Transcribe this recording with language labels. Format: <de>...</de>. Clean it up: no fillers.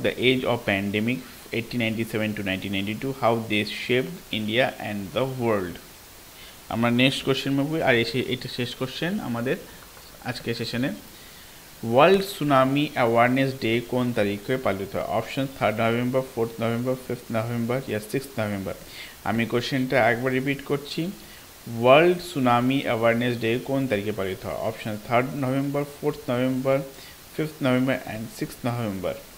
<en>The age of pandemic 1897 to 1992, how they shaped India and the world.</en> <bn>আমরা</bn> <en>next question</en> <bn>move করি। আর এটা শেষ question আমাদের আজকে সেশনে। ওয়ার্ল্ড সুনামি অ্যাওয়ারনেস ডে কোন তারিখে পালিত হয়?</bn> <en>Option 3rd November, 4th November, 5th November, ইয়ার 6th November।</en> <bn>আমি কোয়েশ্চেনটা একবার রিপিট করছি। ওয়ার্ল্ড সুনামি অ্যাওয়ারনেস ডে কোন তারিখে পালিত হয়?</bn> <en>Option 3rd November, 4th November, 5th November and 6th November।</en>